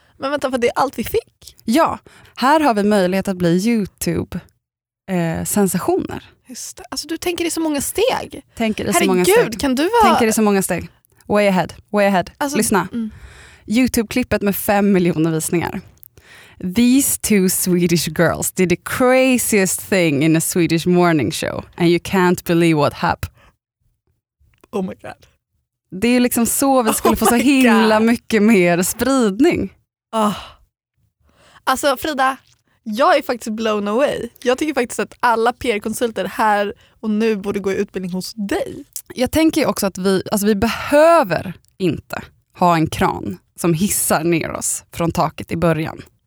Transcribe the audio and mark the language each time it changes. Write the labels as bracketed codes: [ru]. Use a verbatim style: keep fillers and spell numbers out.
[sv] Men vänta, för det är allt vi fick. Ja, här har vi möjlighet att bli YouTube-sensationer. Eh, Just det. Alltså du tänker i så många steg. Tänker i Herregud, så många steg. Kan du vara... Tänker i så många steg. [en] Way ahead, way ahead. [sv] Alltså, lyssna. Mm. YouTube-klippet med fem miljoner visningar. [en] These two Swedish girls did the craziest thing in a Swedish morning show. And you can't believe what happened. Oh my god. [sv] Det är ju liksom så vi skulle oh få så himla God. Mycket mer spridning. Oh. Alltså Frida, jag är faktiskt [en] blown away. [sv] Jag tycker faktiskt att alla P R-konsulter här och nu borde gå i utbildning hos dig. Jag tänker ju också att vi, alltså vi behöver inte ha en kran som hissar ner oss från taket i början.